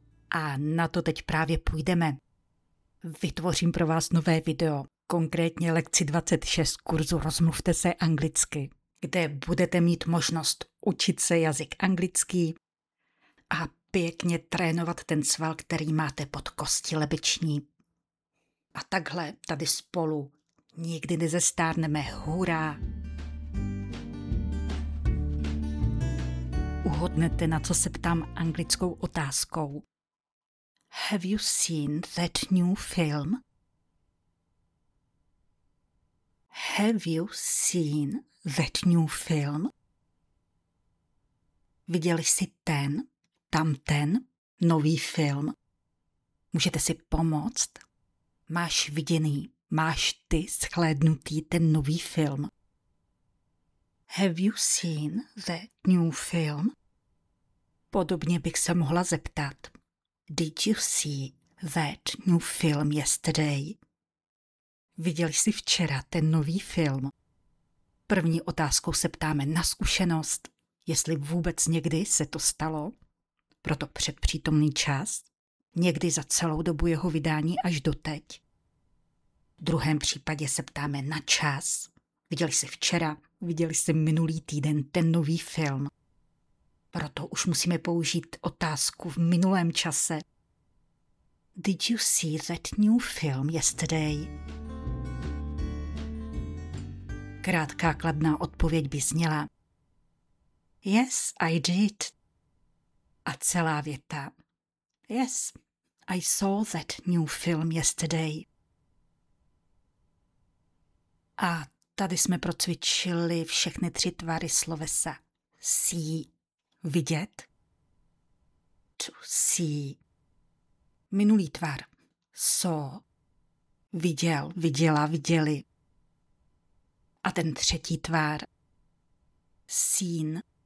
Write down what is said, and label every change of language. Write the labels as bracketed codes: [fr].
[cs] A na to teď právě půjdeme. Vytvořím pro vás nové video, konkrétně lekci 26 kurzu Rozmluvte se anglicky, kde budete mít možnost učit se jazyk anglický a pěkně trénovat ten sval, který máte pod kostí lebeční. A takhle tady spolu nikdy nezestárneme. Hurá! Uhodnete, na co se ptám anglickou otázkou. [en] Have you seen that new film? Have you seen that new film? [cs] Viděli jsi ten, tamten, nový film? Můžete si pomoct? Máš viděný, máš ty shlédnutý ten nový film? [en] Have you seen that new film? [cs] Podobně bych se mohla zeptat. [en] Did you see that new film yesterday? [cs] Viděl jsi včera ten nový film? První otázkou se ptáme na zkušenost, jestli vůbec někdy se to stalo, proto předpřítomný čas, někdy za celou dobu jeho vydání až doteď. V druhém případě se ptáme na čas, viděl jsi včera, viděl jsi minulý týden ten nový film. Proto už musíme použít otázku v minulém čase. [en] Did you see that new film yesterday? [cs] Krátká kladná odpověď by zněla. [en] Yes, I did. [cs] A celá věta. [en] Yes, I saw that new film yesterday. [cs] A tady jsme procvičili všechny tři tvary slovesa. [en] See. Vidět. To see. [cs] Minulý tvar. [en] Saw. [cs] Viděl, viděla, viděli. A ten třetí tvar. Seen.